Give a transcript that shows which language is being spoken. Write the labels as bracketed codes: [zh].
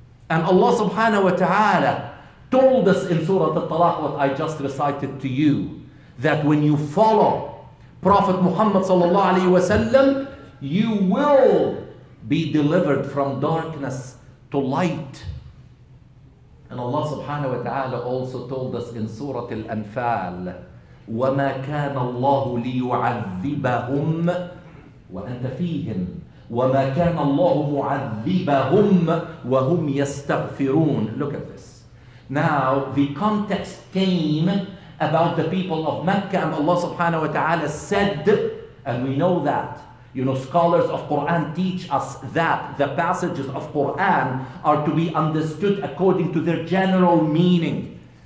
[en] And Allah subhanahu wa ta'ala told us in Surah At-Talaq, what I just recited to you, that when you follow Prophet Muhammad sallallahu alaihi wasallam, you will be delivered from darkness to light. And Allah subhanahu wa ta'ala also told us in Surah Al-Anfal, [ar] وَمَا كَانَ اللَّهُ لِيُعَذِّبَهُمْ وَأَنْتَ فِيهِمْ وَمَا كَانَ اللَّهُ مُعَذِّبَهُمْ وَهُمْ يَسْتَغْفِرُونَ. [en] Look at this. Now, the context came about the people of Mecca, and Allah subhanahu wa ta'ala said, and we know that, you know, scholars of Quran teach us that the passages of Quran are to be understood according to their general meaning.